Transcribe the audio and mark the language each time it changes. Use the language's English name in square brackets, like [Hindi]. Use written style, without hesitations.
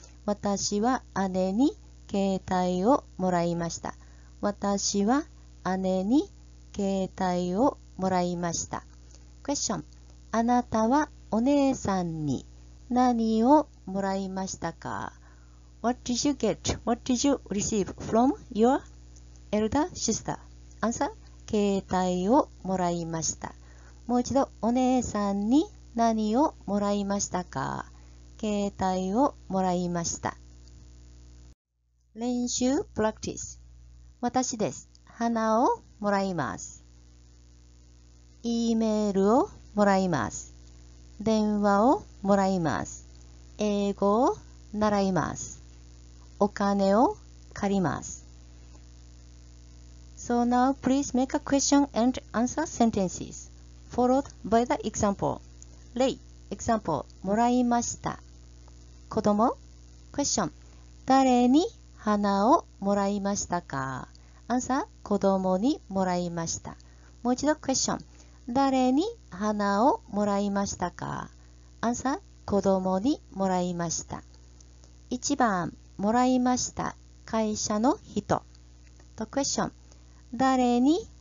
[Japanese] 私は姉に携帯をもらいました。私は姉に携帯をもらいました。クエスチョン。あなたはお姉さんに何をもらいましたか？ [English] What did you get? What did you receive from your elder sister? アンサー。 [Japanese] 携帯をもらいました。もう一度、お姉さんに何をもらいましたか？携帯をもらいました。練習プラクティス。私です。花をもらいます。 E メールをもらいます。電話をもらいます。英語を習います。お金を借ります。 [English] So now please make a question and answer sentences followed by the example. [Japanese] 例、example、もらいました。子供、クエスチョン、誰に花をもらいましたか？アンサー、子供にもらいました。もう一度クエスチョン、誰に花をもらいましたか？アンサー、子供にもらいました。1番、もらいました、会社の人。とクエスチョン、誰に